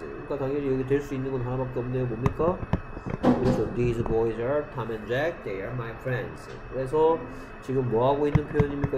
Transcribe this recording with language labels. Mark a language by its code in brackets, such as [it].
[ko] 그러니까 당연히 여기 될 수 있는 건 하나밖에 없네요. 뭡니까? [en] 그래서 these boys are Tom and Jack, they are my friends. [ko] 그래서 지금 뭐 하고 있는 표현입니까?